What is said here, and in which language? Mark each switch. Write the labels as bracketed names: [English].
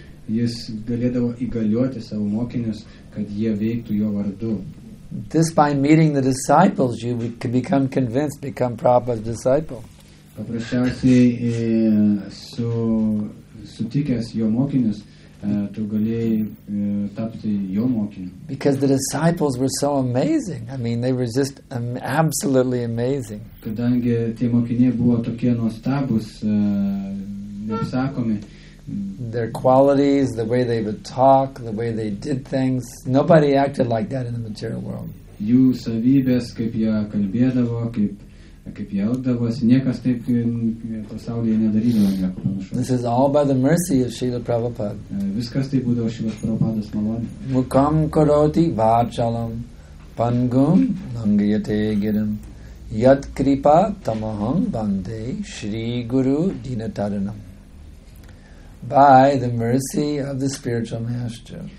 [Lithuanian] Jis galėdavo įgaliuoti savo mokinius, kad jie veiktų jo vardu. [English] This by meeting the disciples you could become convinced become Prabhupada's disciple. [Lithuanian] Paprasčiausiai sutikęs jo mokinius tu galėjai tapti jo mokiniu. [English] Because the disciples were so amazing. I mean, they were just absolutely amazing. [Lithuanian] Kadangi tie mokiniai buvo tokie nuostabūs, neapsakomi. [English] Their qualities, the way they would talk, the way they did things. Nobody acted like that in the material world. [Lithuanian] Jų savybės, kaip jie kalbėdavo, kaip jie elgdavosi, niekas taip pasaulyje nedarydavo nieko panašaus. [English] This is all by the mercy of Srila Prabhupada. [Lithuanian] Viskas tai būdavo Šrilos Prabhupados malonė. [Sanskrit] Mukam karoti vachalam pangum langayate giram yat kripa tamaham bande shri guru dinataranam. [English] By the mercy of the spiritual master.